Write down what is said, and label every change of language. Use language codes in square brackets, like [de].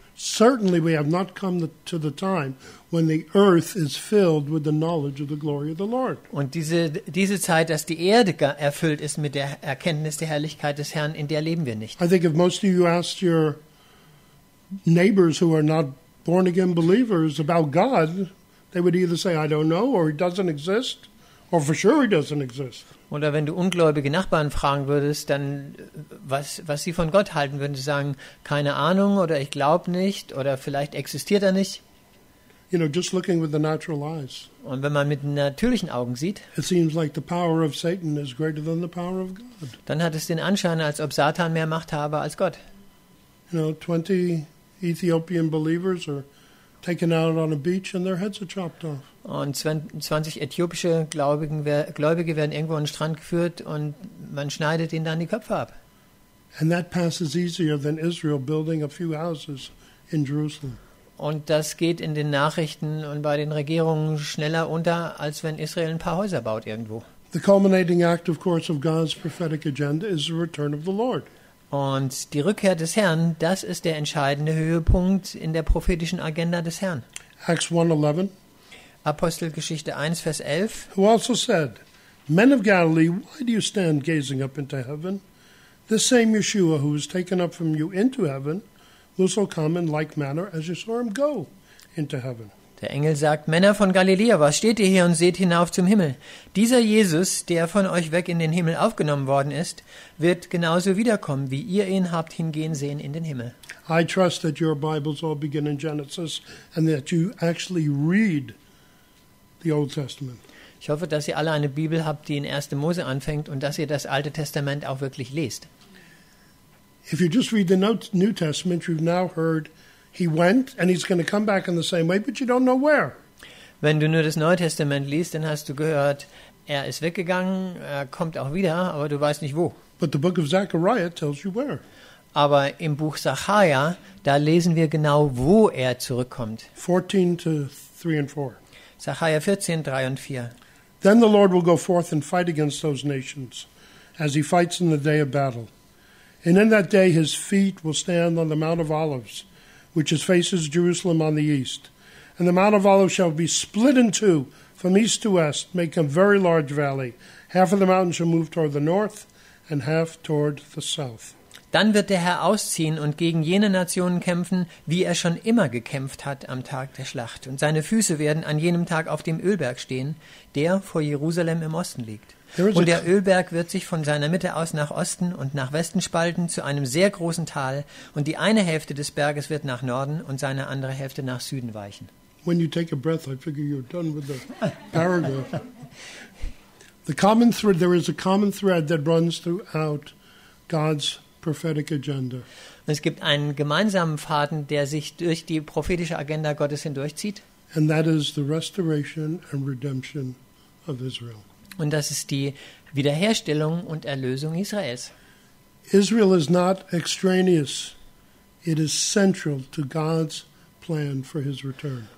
[en] Certainly we have not come to the time when the earth is filled with the knowledge of the glory of the Lord. [de] Und diese Zeit, dass die Erde erfüllt ist mit der Erkenntnis der Herrlichkeit des Herrn, in der leben wir nicht. [en] I think if most of you asked your neighbors who are not born again believers about God, they would either say, I don't know, or he doesn't exist, or for sure he doesn't exist. [de] Oder wenn du ungläubige Nachbarn fragen würdest, dann was sie von Gott halten würden, sie sagen, keine Ahnung, oder ich glaube nicht, oder vielleicht existiert er nicht. [en] You know, just looking with the natural eyes. [de] Und wenn man mit natürlichen Augen sieht, [en] it seems like the power of Satan is greater than the power of God. [de] Dann hat es den Anschein, als ob Satan mehr Macht habe als Gott. [en] You know, 20 Ethiopian believers are taken out on a beach and their heads are chopped off. [de] Und 20 äthiopische Gläubige werden irgendwo an den Strand geführt und man schneidet ihnen dann die Köpfe ab. [en] And that passes easier than Israel building a few houses in Jerusalem. [de] Und das geht in den Nachrichten und bei den Regierungen schneller unter, als wenn Israel ein paar Häuser baut irgendwo. [en] The culminating act, of course, of God's prophetic agenda is the return of the Lord. [de] Und die Rückkehr des Herrn, das ist der entscheidende Höhepunkt in der prophetischen Agenda des Herrn. [en] Acts 1:11. [de] Apostelgeschichte 1, Vers 11. [en] Who also said, Men of Galilee, why do you stand gazing up into heaven? The same Yeshua, who was taken up from you into heaven, will so come in like manner as you saw him go into heaven. [de] Der Engel sagt, Männer von Galiläa, was steht ihr hier und seht hinauf zum Himmel? Dieser Jesus, der von euch weg in den Himmel aufgenommen worden ist, wird genauso wiederkommen, wie ihr ihn habt hingehen sehen in den Himmel. [en] I trust that your Bibles all begin in Genesis and that you actually read the Old Testament. [de] Ich hoffe, dass ihr alle eine Bibel habt, die in 1. Mose anfängt und dass ihr das Alte Testament auch wirklich lest. [en] If you just read the New Testament, you've now heard he went and he's going to come back in the same way, but you don't know where. [de] Wenn du nur das Neue Testament liest, dann hast du gehört, er ist weggegangen, er kommt auch wieder, aber du weißt nicht wo. [en] But the book of Zechariah tells you where. [de] Aber im Buch Zacharia, da lesen wir genau, wo er zurückkommt. [en] 14 to 3 and 4. [de] Zacharia 14, 3 und 4. [en] Then the Lord will go forth and fight against those nations, as he fights in the day of battle. And in that day his feet will stand on the Mount of Olives, which is faces Jerusalem on the east. And the Mount of Olives shall be split in two from east to west, make a very large valley. Half of the mountain shall move toward the north and half toward the south. [de] Dann wird der Herr ausziehen und gegen jene Nationen kämpfen, wie er schon immer gekämpft hat am Tag der Schlacht. Und seine Füße werden an jenem Tag auf dem Ölberg stehen, der vor Jerusalem im Osten liegt. Und der Ölberg wird sich von seiner Mitte aus nach Osten und nach Westen spalten zu einem sehr großen Tal. Und die eine Hälfte des Berges wird nach Norden und seine andere Hälfte nach Süden weichen. [en] When you take a breath, I figure you're done with the paragraph. The common thread, there is a common thread that runs throughout God's prophetic agenda. [de] Und es gibt einen gemeinsamen Faden, der sich durch die prophetische Agenda Gottes hindurchzieht. [en] And that is the restoration and redemption of Israel. [de] Und das ist die Wiederherstellung und Erlösung Israels. [en] Israel is not extraneous. It is central to God's plan for his return.